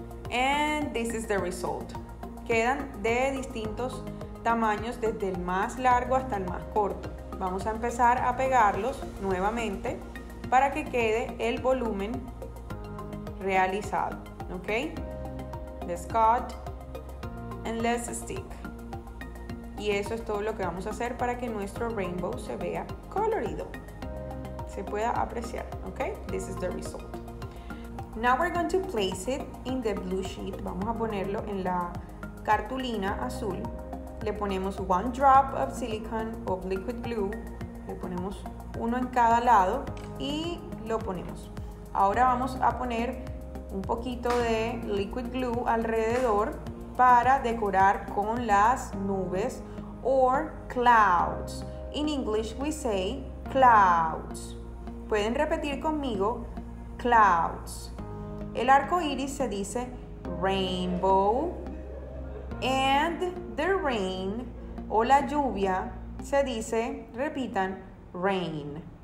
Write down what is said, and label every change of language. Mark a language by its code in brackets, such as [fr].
[en] And this is the result. [es] Quedan de distintos tamaños, desde el más largo hasta el más corto. Vamos a empezar a pegarlos nuevamente para que quede el volumen realizado. [en] Ok, let's cut and let's stick. [es] Y eso es todo lo que vamos a hacer para que nuestro rainbow se vea colorido, se pueda apreciar. [en] Ok, this is the result. Now we're going to place it in the blue sheet. [es] Vamos a ponerlo en la cartulina azul. Le ponemos [en] 1 drop of silicone of liquid glue. [es] Le ponemos uno en cada lado y lo ponemos. Ahora vamos a poner un poquito de [en] liquid glue [es] alrededor para decorar con las nubes [en] or clouds. In English we say clouds. [es] Pueden repetir conmigo clouds. El arco iris se dice rainbow [en] and the rain [es] o la lluvia se dice, repitan, rain.